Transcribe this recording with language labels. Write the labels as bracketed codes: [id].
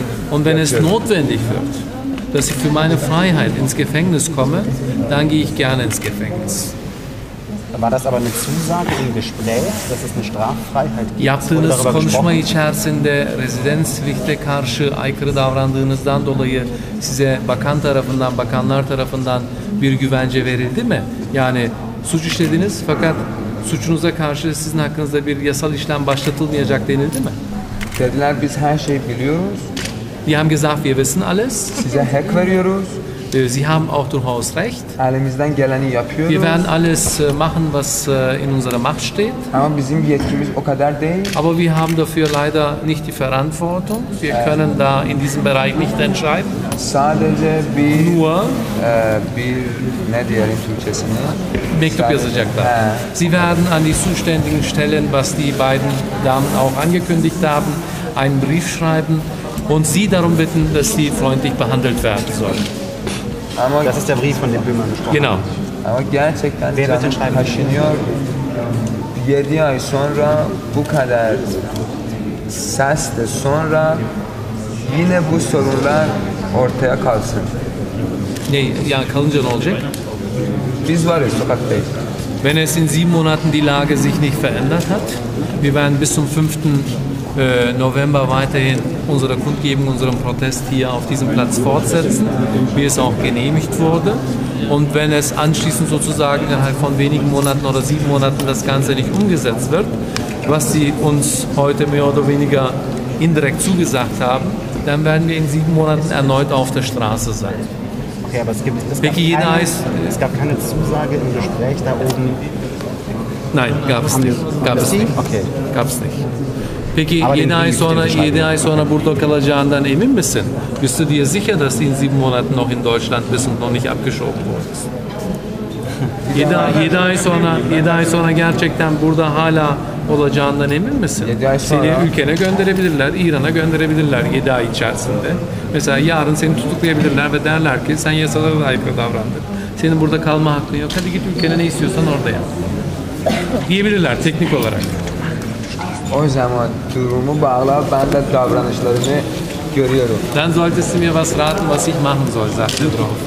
[de] Und wenn es notwendig wird, dass ich für meine Freiheit ins Gefängnis komme, dann gehe ich gerne ins Gefängnis. War das aber eine Zusage im Gespräch, dass es eine Straffreiheit gibt? [tr] Yaptığınız konuşma içerisinde Residenzpflicht'e karşı aykırı davrandığınızdan dolayı size bakan tarafından, bakanlar tarafından bir güvence verildi mi? Yani suç işlediniz fakat suçunuza karşı sizin hakkınızda bir yasal işlem başlatılmayacak denildi mi? Dediler biz her şeyi biliyoruz. [de] Wir haben gesagt, wir wissen alles. [tr] Size hak veriyoruz. [de] Sie haben auch durchaus recht. [tr] Elimizden geleni yapıyoruz. [de] Wir werden alles machen, was in unserer Macht steht. [tr] Ama bizim yetkimiz o kadar değil. [de] Aber wir haben dafür leider nicht die Verantwortung. Wir können da in diesem Bereich nicht entscheiden. [tr] Sadece bir... [de] Nur... [tr] Bir... Ne diyelim Türkçesini? Mektup yazacaklar. [de] Sie werden an die zuständigen Stellen, was die beiden Damen auch angekündigt haben, einen Brief schreiben und sie darum bitten, dass sie freundlich behandelt werden sollen. Das ist der Brief von dem Böhmer gesprochen. Genau. [tr] Aber gerçekten [de] wer wird denn schreiben? [tr] 7 ay sonra bu kadar sesle sonra yine bu sorunlar ortaya kalsın. Ne, yani kalınca ne olacak? Biz varız sokakta. [de] Wenn es in 7 Monaten die Lage sich nicht verändert hat, wir werden bis zum 5. November weiterhin unsere Kundgebung, unseren Protest hier auf diesem Platz fortsetzen, wie es auch genehmigt wurde. Und wenn es anschließend sozusagen innerhalb von wenigen Monaten oder 7 Monaten das Ganze nicht umgesetzt wird, was Sie uns heute mehr oder weniger indirekt zugesagt haben, dann werden wir in 7 Monaten erneut auf der Straße sein. Okay, aber es gab keine Zusage im Gespräch da oben. Nein, gab es nicht. [tr] Peki 7 ay sonra 7 ay sonra burada kalacağından emin misin? [de] Bist du dir sicher, dass du in 7 Monaten noch in Deutschland bist und noch nicht abgeschoben wurdest? [tr] 7 ay sonra gerçekten burada hala olacağından emin misin? Seni ülkene gönderebilirler, İran'a gönderebilirler 7 ay içerisinde. Mesela yarın seni tutuklayabilirler ve derler ki sen yasalara aykırı davrandın. Senin burada kalma hakkın yok. Hadi git ülkene ne istiyorsan orada yap. Diyebilirler teknik olarak. O zaman durumu bağla ben de davranışlarını görüyorum. [de] Dann solltest du mir was raten, was ich machen soll, sagt der Frau.